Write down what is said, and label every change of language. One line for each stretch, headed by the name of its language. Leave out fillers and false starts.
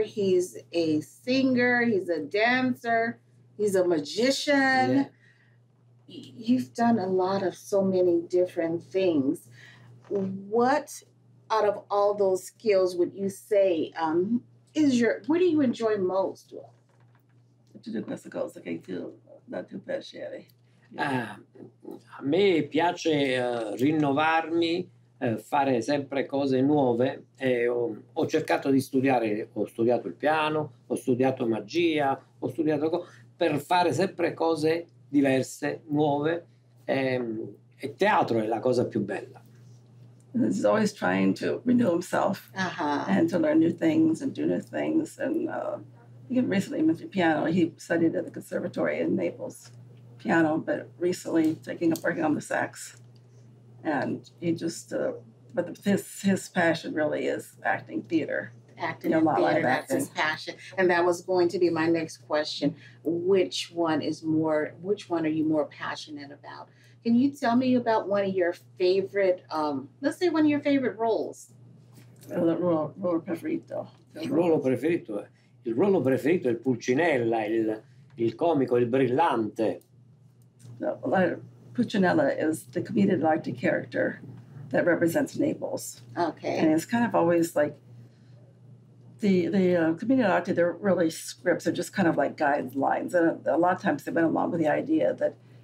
English: He's a singer. He's a dancer. He's a magician. Yeah. You've done a lot of so many different things. What... out of all those skills, would you say, what do you enjoy most?
Italian: Tutte queste cose che tu, da tuo piacere. A me piace rinnovarmi, fare sempre cose nuove. Ho cercato di studiare, ho studiato il piano, ho studiato magia, ho studiato per fare sempre cose diverse, nuove. E teatro è la cosa più bella.
English: He's always trying to renew himself and to learn new things and do new things. And he recently mentioned piano. He studied at the conservatory in Naples, piano, but recently taking up working on the sax. And he just, but his passion really is acting, theater. Acting, you know, theater, like that's his passion. And that was going to be my next question. Which one are you more passionate about? Can you tell me about one of your favorite, let's say one of your favorite roles?
Italian: Il ruolo preferito. Il ruolo preferito è il Pulcinella, il comico, il brillante.
English: Pulcinella is the comedic lighting character that represents Naples. Okay. And it's kind of always like, The comedian arte, they're really scripts. They're just kind of like guidelines. And a lot of times they went along with the idea that